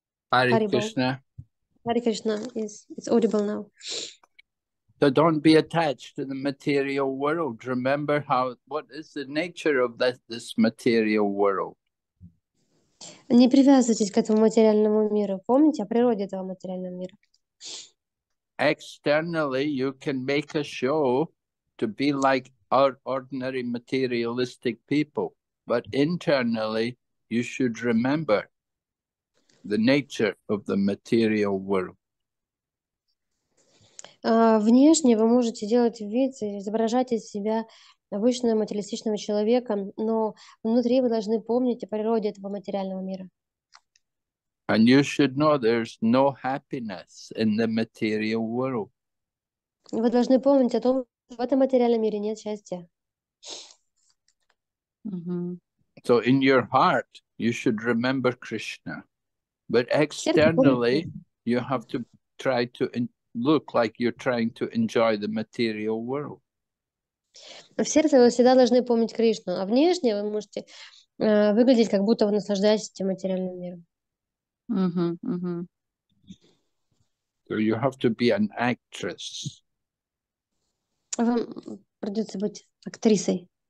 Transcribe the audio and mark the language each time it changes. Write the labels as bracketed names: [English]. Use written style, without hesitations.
[English] Hare Krishna. Hare Krishna, it's audible now. So don't be attached to the material world. Remember how what is the nature of this material world? [Russian] Не привязывайтесь к этому материальному миру. Помните о природе этого материального мира. [English] Externally, you can make a show to be like our ordinary materialistic people, but internally, you should remember the nature of the material world. [Russian] Внешне вы можете делать вид, изображать из себя обычного материалистичного человека, но внутри вы должны помнить о природе этого материального мира. [English] And you should know there's no happiness in the material world. [Russian] Вы должны помнить о том, что в этом материальном мире нет счастья. Mm-hmm. [English] So in your heart you should remember Krishna. But externally you have to try to look like you're trying to enjoy the material world. [Russian] В сердце вы всегда должны помнить Кришну, а внешне вы можете выглядеть, как будто вы наслаждаетесь этим материальным миром. [English] So you have to be an actress. [Russian] Вам придется быть актрисой.